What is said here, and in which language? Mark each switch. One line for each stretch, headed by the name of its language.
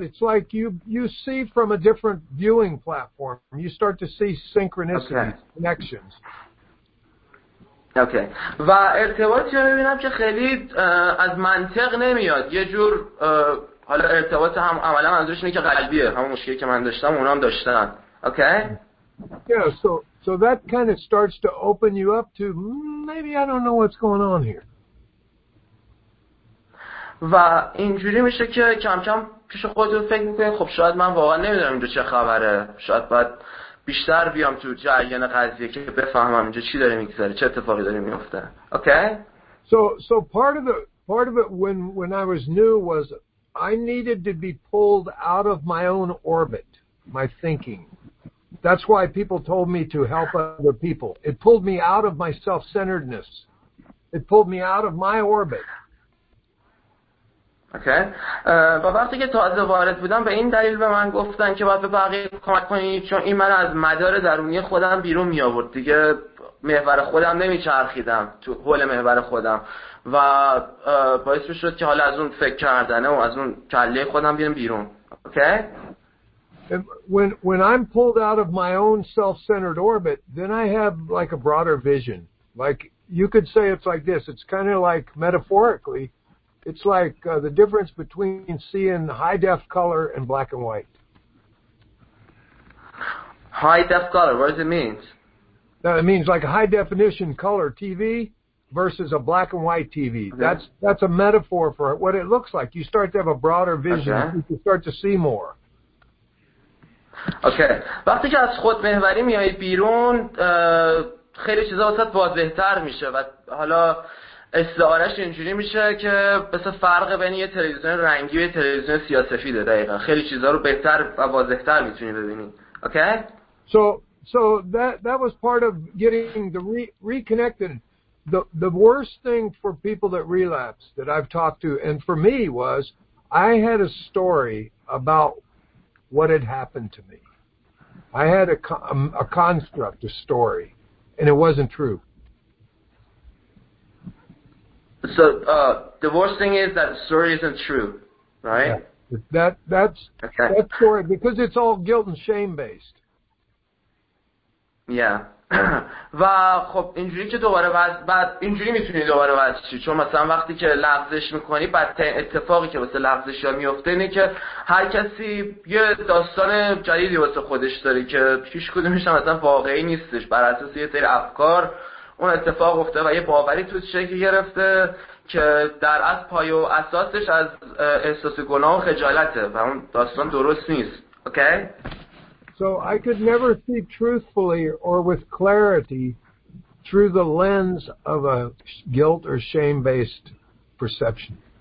English: It's like you see from a different viewing platform. You start to see synchronicity, okay. Connections.
Persian: اوکی. و ارتباطی رو میبینم که خیلی از منطق نمیاد. یه جور حالا ارتباط هم عملا منظورش اینه که قلبیه. همون مشکلی که من داشتم اونا هم داشتن. اوکی؟
English: Yeah, so that kind of starts to open you up to maybe I don't know what's going on here.
Persian: و اینجوری میشه که کم کم پیش خودتون فکر میکنید خب شاید من واقعا نمیدونم اینجا چه خبره. شاید باید بیشتر بیام تو جریان قضیه که بفهمم اینجا چی داره میگذره چه اتفاقی داره میفته. اوکی.
English: So part of it when I was new was I needed to be pulled out of my own orbit, my thinking. That's why people told me to help other people. It pulled me out of my self-centeredness. It pulled me out of my orbit.
Persian: اوکی. و وقتی که تازه وارد بودم به این دلیل به من گفتن که باید به بقیه کمک کنی چون این من از مدار درونی خودم بیرون می آورد. دیگه محور خودم نمی چرخیدم تو حول محور خودم و باعث می شد که حالا از اون فکر کردنه و از اون کله خودم بیرون بیرون. اوکی؟
English: When I'm pulled out of my own self-centered orbit, then I have like a broader vision. Like you could say it's like this. It's kind of like metaphorically. It's like the difference between seeing high def color and black and white. High def color, what does it mean? It means like high definition color TV versus a black and white TV. Okay. That's a metaphor for what it looks like. You start to have a broader vision. Okay. You start to see more. Okay.
Persian: وقتی که از خود محوری میای بیرون خیلی چیزا وسط بهتر میشه و حالا استعارش اینجوری میشه که مثل فرق بین یه تلویزیون رنگی و یه تلویزیون سیاه‌سفیده دقیقاً خیلی چیزا رو بهتر و واضح‌تر میتونی ببینی.
English: Okay? So that was part of getting the reconnected. The worst thing for people that relapse that I've talked to and for me was I had a story about what had happened to me. I had a construct, a story, and it wasn't true. So the worst thing is that the story isn't true, right? Yeah. That's okay. That story, because it's all guilt and shame based. Yeah.
Persian: و خب اینجوری که دوباره بعد اینجوری میتونی دوباره واسه چی چون مثلا وقتی که لغزش میکنی بعد اتفاقی که واسه لغزش ها میفته اینه که هر کسی یه داستان جدیدی واسه خودش داره که هیچ کدومش مثلا واقعی نیستش بر اساس یه سری افکار اون اتفاق افتاده و یه باوری تو شکل گرفته که در از پای و اساسش از احساس گناه و خجالته و اون داستان درست نیست. اوکی.
English: So I could never see truthfully or with clarity through the lens of a guilt or shame-based perception.